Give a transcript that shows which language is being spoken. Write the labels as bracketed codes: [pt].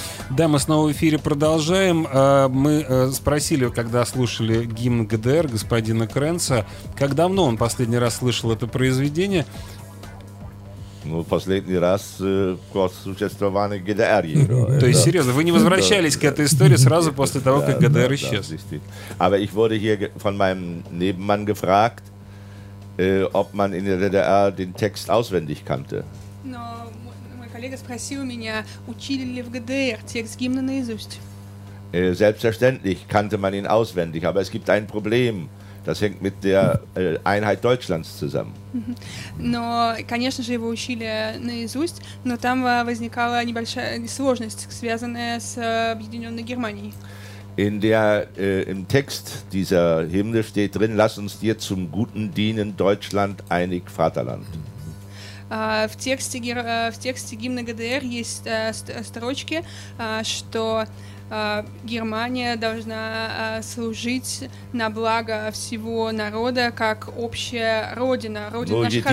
[ru] Да, мы снова в эфире продолжаем. Мы спросили, когда слушали гимн ГДР господина Кренца, как давно он последний раз слышал это произведение? Ну, последний раз после существования ГДР. То есть, серьезно, вы не возвращались к этой истории сразу после того, как ГДР исчез? [de] Aber ich wurde hier von meinem Nebenmann gefragt, ob man in der DDR den Text auswendig kannte. [ru] Коллега спросил меня, учили ли в ГДР текст гимна наизусть. [de] Selbstverständlich kannte man ihn auswendig, aber es gibt ein Problem. Das hängt mit der Einheit Deutschlands zusammen. [ru] Но, конечно же, его учили наизусть, но там возникала небольшая сложность, связанная с объединенной Германией. [de] In der, im Text dieser Hymne steht drin, lass uns dir zum Guten dienen, Deutschland, einig Vaterland. [ru] В тексте гимна ГДР есть строчки, что Германия должна служить на благо всего народа, как общая родина, родина наших отцов.